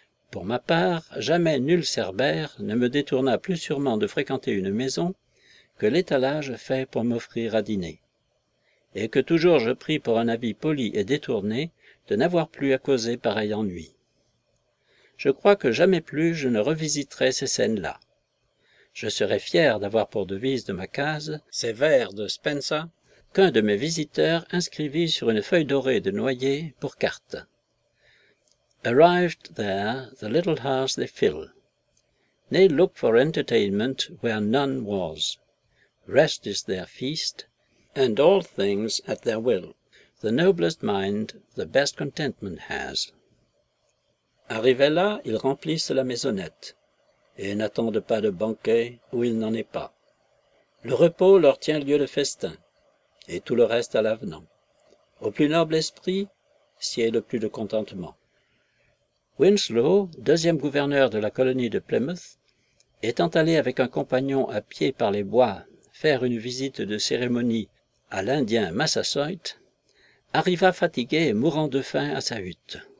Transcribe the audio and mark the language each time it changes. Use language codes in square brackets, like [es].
[fr] Pour ma part, jamais nul Cerbère ne me détourna plus sûrement de fréquenter une maison que l'étalage fait pour m'offrir à dîner, et que toujours je pris pour un avis poli et détourné de n'avoir plus à causer pareil ennui. Je crois que jamais plus je ne revisiterai ces scènes-là. Je serais fier d'avoir pour devise de ma case ces vers de Spencer qu'un de mes visiteurs inscrivit sur une feuille dorée de noyer pour carte. [en] Arrived there, the little house they fill. They look for entertainment where none was. Rest is their feast, and all things at their will. The noblest mind the best contentment has. [fr] Arrivé là, ils remplissent la maisonnette, et n'attendent pas de banquet où il n'en est pas. Le repos leur tient lieu de festin, et tout le reste à l'avenant. Au plus noble esprit, sied le plus de contentement. Winslow, deuxième gouverneur de la colonie de Plymouth, étant allé avec un compagnon à pied par les bois faire une visite de cérémonie à l'Indien Massasoit, arriva fatigué et mourant de faim à sa hutte.